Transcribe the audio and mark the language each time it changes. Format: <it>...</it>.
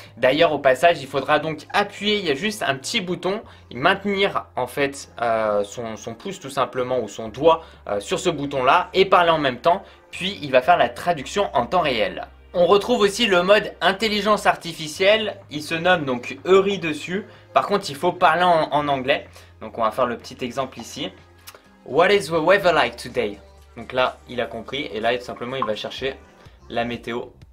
<fr>D'ailleurs au passage il faudra donc appuyer, il y a juste un petit bouton, et maintenir en fait son pouce tout simplement ou son doigt sur ce bouton là et parler en même temps, puis il va faire la traduction en temps réel. On retrouve aussi le mode intelligence artificielle, il se nomme donc Eury dessus. Par contre il faut parler en anglais, donc on va faire le petit exemple ici.</fr> <en>What is the weather like today?</en> <fr>Donc là, il a compris et là, tout simplement, il va chercher la météo.</fr>